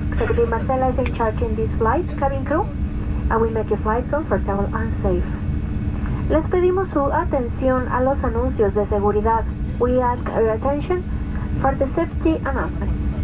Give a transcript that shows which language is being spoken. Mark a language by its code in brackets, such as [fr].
[en] Secretary Marcela is in charge in this flight cabin crew, and we make your flight comfortable and safe. [es] Les pedimos su atención a los anuncios de seguridad. [en] We ask your attention for the safety announcements.